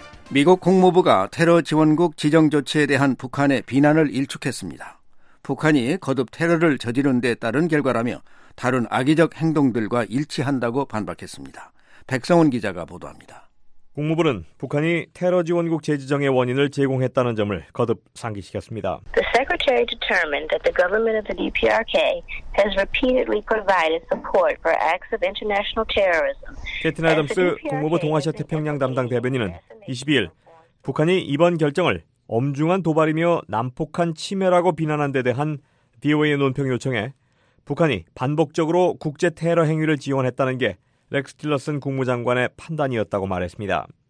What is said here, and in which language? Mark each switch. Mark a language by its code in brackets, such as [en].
[ko] 미국 국무부가 테러 지원국 지정 조치에 대한 북한의 비난을 일축했습니다. 북한이 거듭 테러를 저지른 데 따른 결과라며 다른 악의적 행동들과 일치한다고 반박했습니다. 백성훈 기자가 보도합니다. 국무부는 북한이 테러 지원국 재지정의 원인을 제공했다는 점을 거듭 상기시켰습니다. [en] The secretary determined that the government of the DPRK has repeatedly provided support for acts of international terrorism. [ko] 캐티나 애덤스 국무부 동아시아 태평양 담당 대변인은 22일 북한이 이번 결정을 엄중한 도발이며 남북한 침해라고 비난한 데 대한 DOA의 논평 요청에 북한이 반복적으로 국제 테러 행위를 지원했다는 게 렉스 틸러슨 국무장관의 판단이었다고 말했습니다.